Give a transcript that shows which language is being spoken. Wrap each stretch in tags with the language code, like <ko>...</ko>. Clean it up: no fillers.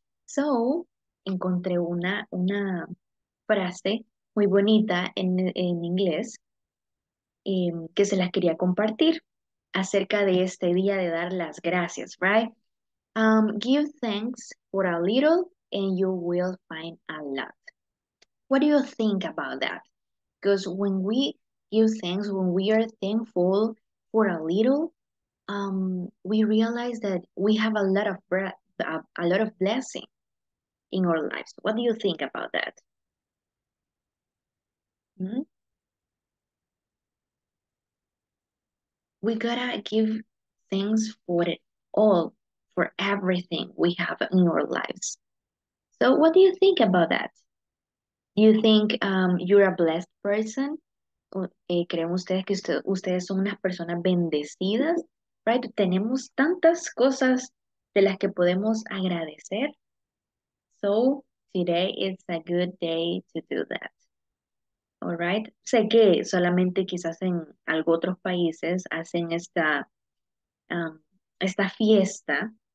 <es>So encontré una frase muy bonita en inglés que se las quería compartir acerca de este día de dar las gracias,</es> <en>right? Give thanks for a little and you will find a lot. What do you think about that? Because when we give thanks, when we are thankful for a little, we realize that we have a lot of breath, a lot of blessing in our lives. What do you think about that? We gotta give thanks for it all. For everything we have in our lives. So, what do you think about that? Do you think you're a blessed person?</en> <es>¿Creen ustedes que ustedes son unas personas bendecidas?</es> <en>Right?</en> <es>Tenemos tantas cosas de las que podemos agradecer.</es> <en>So, today is a good day to do that. All right?</en> <es>Sé que solamente quizás en algunos otros países hacen esta fiesta.</es>